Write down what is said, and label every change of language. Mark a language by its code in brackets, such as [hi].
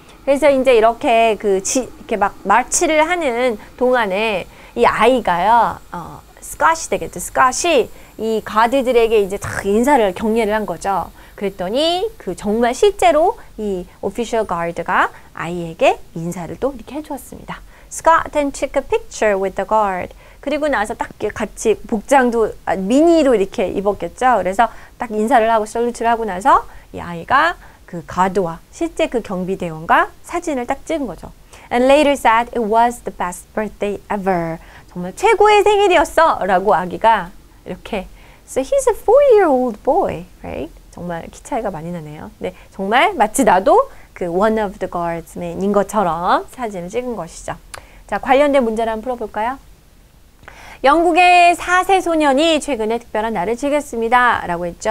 [ko] 그래서 이제 이렇게 그 이렇게 막 마치를 하는 동안에 이 아이가요, 스컷이 되겠죠. 스컷이 이 가드들에게 이제 다 인사를 경례를 한 거죠. 그랬더니 그 정말 실제로 이 오피셜 가드가 아이에게 인사를 또 이렇게 해주었습니다. [en] Scott then took a picture with the guard. [ko] 그리고 나서 딱 같이 복장도 미니로 이렇게 입었겠죠. 그래서 딱 인사를 하고 솔루트를 하고 나서 이 아이가 그 가드와 실제 그 경비대원과 사진을 딱 찍은 거죠. [en] And later said it was the best birthday ever. [ko] 정말 최고의 생일이었어! 라고 아기가 이렇게 [en] So he's a four-year-old boy, right? [ko] 정말 키 차이가 많이 나네요. 네, 정말 마치 나도 그 [en] one of the guardsmen [ko] 인 것처럼 사진을 찍은 것이죠. 자, 관련된 문제를 한번 풀어볼까요? 영국의 4세 소년이 최근에 특별한 날을 즐겼습니다. 라고 했죠.